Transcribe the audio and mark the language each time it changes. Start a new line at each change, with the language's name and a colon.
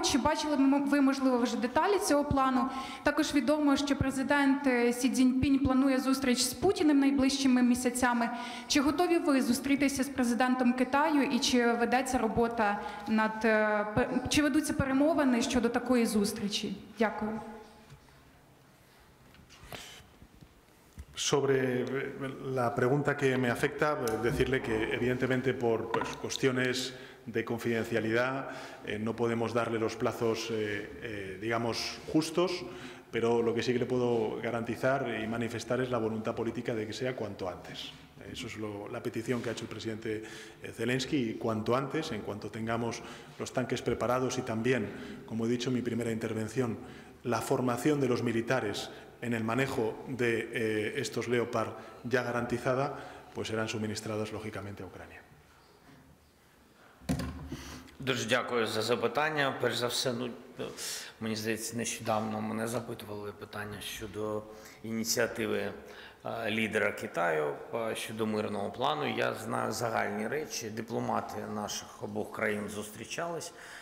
Ukrainian: Чи бачили ви, можливо, вже деталі цього плану? Також відомо, що президент Сі Цзіньпінь планує зустріч з Путіним найближчими місяцями. Чи готові ви зустрітися з президентом Китаю, і чи ведеться робота над... чи ведуться перемовини щодо такої зустрічі? Дякую.
Spanish: Sobre la pregunta que me afecta, decirle que, evidentemente, por, pues, cuestiones de confidencialidad, no podemos darle los plazos, digamos, justos, pero lo que sí que le puedo garantizar y manifestar es la voluntad política de que sea cuanto antes. Eso es la petición que ha hecho el presidente Zelensky, y cuanto antes, en cuanto tengamos los tanques preparados y también, como he dicho en mi primera intervención, la formación de los militares en el manejo de estos Leopard ya garantizada, pues serán suministrados, lógicamente, a Ucrania.
Ukrainian: Дуже дякую за запитання. Перш за все, ну, мені здається, нещодавно мене запитували питання щодо ініціативи лідера Китаю щодо мирного плану. Я знаю загальні речі. Дипломати наших обох країн зустрічались.